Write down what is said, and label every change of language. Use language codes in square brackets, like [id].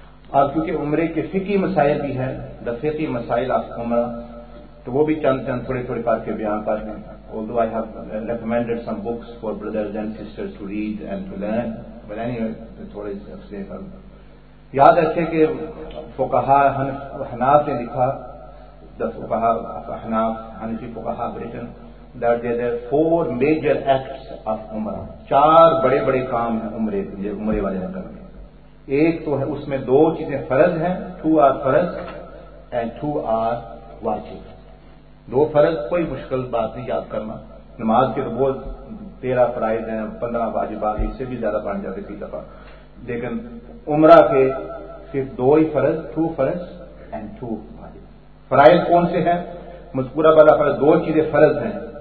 [ur] اور کیونکہ عمرے کے فقہی مسائل بھی ہیں, دا فقہی مسائل آف عمرہ, تو وہ بھی چند چند تھوڑے تھوڑے پار کے بیان پر ہیں. [en] Although I have recommended some books for brothers and sisters to read and to learn, but anyway, it's what is safer. Yaad rakhiye ke fuqaha Hanaf ne likha, the fuqaha Hanaf, Hanafi fuqaha Britain, that there are four major acts of Umrah. [ur] Char bade bade kaam hain Umrah wale ne karne. Ek to hai, usme do cheeze farz hain, two are farz and two are wajib. دو فرض, کوئی مشکل بات نہیں یاد کرنا. نماز کے تو بہت 13 فرائض ہیں, 15 واجبات, اس سے بھی زیادہ بن جاتے کئی دفعہ, لیکن عمرہ کے صرف دو ہی فرض, ٹو فرض اینڈ ٹو واجب. فرائض کون سے ہیں؟ مذکورہ بلا فرض, دو چیزیں فرض ہیں.